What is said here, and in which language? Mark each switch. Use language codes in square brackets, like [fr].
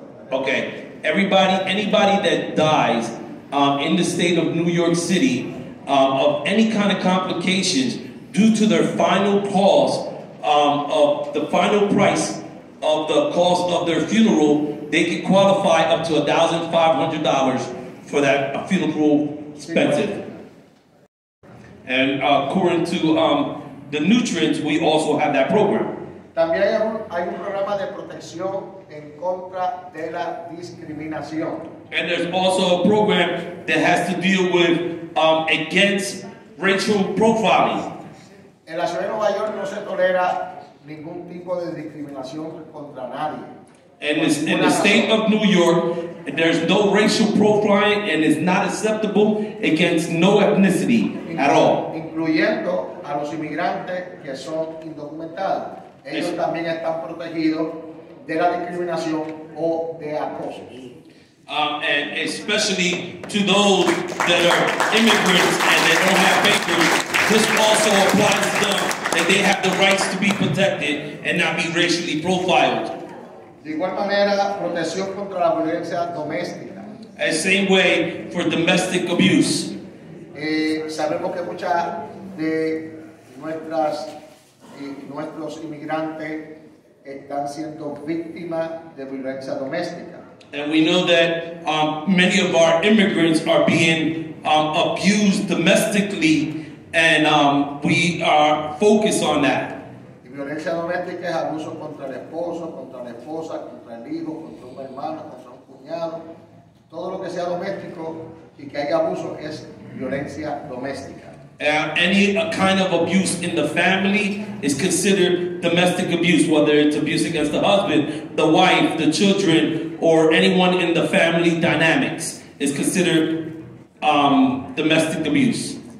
[en] Okay. Anybody that dies in the state of New York City of any kind of complications due to their final cost of the final price of the cost of their funeral, they can qualify up to $1,500 for that funeral expense. And according to the nutrients, we also have that program. [es] También hay un programa de protección en contra de la discriminación. [en] And there's also a program that has to deal with against racial profiling. [es] En la ciudad de Nueva York no se tolera ningún tipo de discriminación contra nadie. [en] And it's in the state of New York, and there's no racial profiling, and it's not acceptable against no ethnicity at all. [es] Incluyendo a los inmigrantes que son indocumentados. Ellos también están protegidos de la discriminación o de acoso. [en] And especially to those that are immigrants and they don't have papers, this also applies to them, that they have the rights to be protected and not be racially profiled. [es] De igual manera, protección contra la violencia doméstica. [en] And same way for domestic abuse. [es] Sabemos que muchas de nuestras nuestros inmigrantes están siendo víctimas de violencia doméstica. [en] And we know that many of our immigrants are being abused domestically, and we are focused on that. [es] Y violencia doméstica es abuso contra el esposo, contra la esposa, contra el hijo, contra un hermano, contra un cuñado. Todo lo que sea doméstico y que haya abuso es violencia doméstica. [en] Any kind of abuse in the family is considered domestic abuse, whether it's abuse against the husband, the wife, the children, or anyone in the family dynamics is considered domestic abuse.